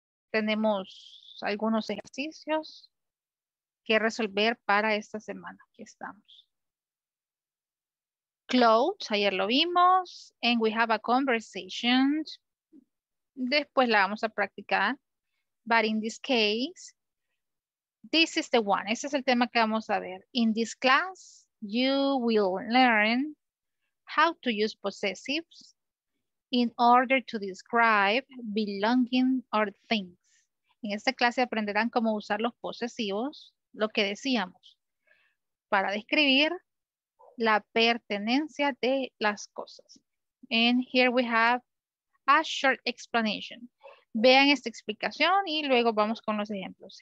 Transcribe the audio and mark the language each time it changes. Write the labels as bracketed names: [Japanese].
[Spanish] Tenemos algunos ejercicios que resolver para esta semana. Aquí estamos. Clothes, ayer lo vimos. [English] And we have a conversation. [Spanish] Después la vamos a practicar. [English] But in this case... This is the one. [Spanish] Ese es el tema que vamos a ver. [English] In this class, you will learn how to use possessives in order to describe belonging or things. [Spanish] En esta clase aprenderán cómo usar los posesivos, lo que decíamos, para describir la pertenencia de las cosas. [English] And here we have a short explanation. [Spanish] Vean esta explicación y luego vamos con los ejemplos.